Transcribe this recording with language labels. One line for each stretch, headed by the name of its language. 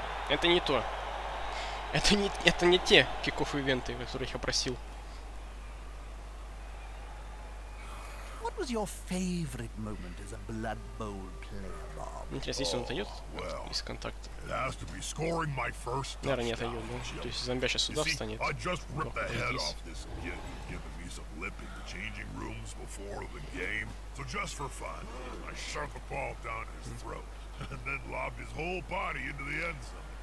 Russian: Это не то. Это не те киков ивенты, которые я просил.
English: What was your favorite moment as a Blood Bowl player, Bob?
Russian: Интересно, если он отойдет из контакта.
English: It has to be scoring my first touchdown.
Russian: Наверное, не отойдет, да? То есть зомбя сейчас сюда встанет.
English: I just ripped the head off this kid who'd given me some lip in the changing rooms before the game. So just for fun, I shoved the ball down his throat and then lobbed his whole body into the end zone.